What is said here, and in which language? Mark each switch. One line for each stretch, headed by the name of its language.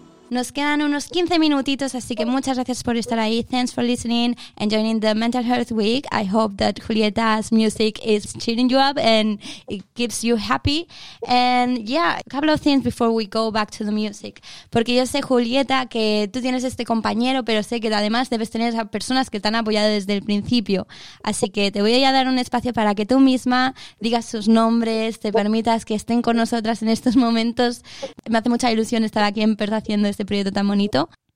Spanish: Nos quedan unos 15 minutitos, así que muchas gracias por estar ahí.
English: Thanks for listening and joining the Mental Health Week. I hope that Julieta's music is cheering you up and it keeps you happy. And yeah, a couple of things before we go back to the music.
Spanish: Porque yo sé, Julieta, que tú tienes este compañero, pero sé que además debes tener a personas que te han apoyado desde el principio. Así que te voy a dar un espacio para que tú misma digas sus nombres, te permitas que estén con nosotras en estos momentos. Me hace mucha ilusión estar aquí en Perth haciendo este proyecto tan bonito.